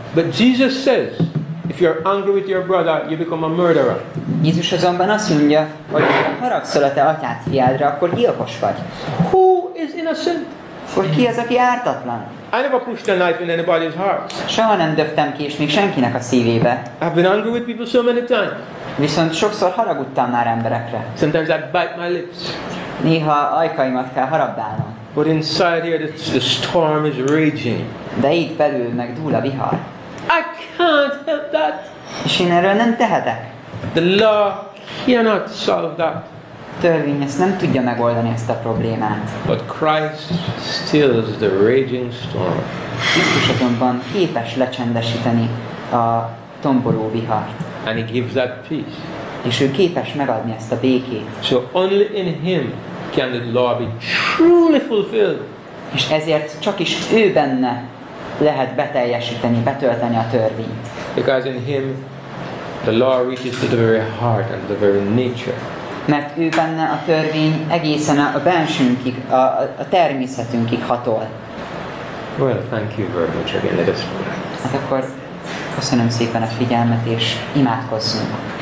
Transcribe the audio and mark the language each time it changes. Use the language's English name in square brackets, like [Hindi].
[English] But Jesus says, if you're angry with your brother, you become a murderer. [Hungarian] Jézus azonban azt mondja, hogy ha haragszol a te atyád fiádra, akkor gyilkos vagy. [English] Who is innocent? [Hungarian] Akkor ki az, aki ártatlan? [English] I never pushed a knife in anybody's heart. [Hungarian] Soha nem döftem ki, és még senkinek a szívébe. [English] I've been angry with people so many times. [Hungarian] Viszont sokszor haragudtam már emberekre. [English] Sometimes I bite my lips. [Hungarian] Néha ajkaimat kell harapdálnom. [English] But inside here, the storm is raging. [Hungarian] De itt belül meg dúl a vihar. [English] I can't help that. [Hungarian] És én erről nem tehetek. [English] The law cannot solve that. [Hungarian] Törvény ezt nem tudja megoldani, ezt a problémát. [English] But Christ stills the raging storm. [Hungarian] Krisztus azonban képes lecsendesíteni a tomboló vihart. [English] And he gives that peace. [Hungarian] És ő képes megadni ezt a békét. [English] So only in him can the law be truly fulfilled. [Hungarian] És ezért csak is ő benne lehet beteljesíteni, betölteni a törvényt. [English] Because in him the law reaches to the very heart and the very nature. [Hungarian] Mert ő benne a törvény egészen a bensünkig, a természetünkig hatol. [English] Well, thank you very much again. Let us pray. [Hungarian] Hát akkor köszönöm szépen a figyelmet, és imádkozzunk.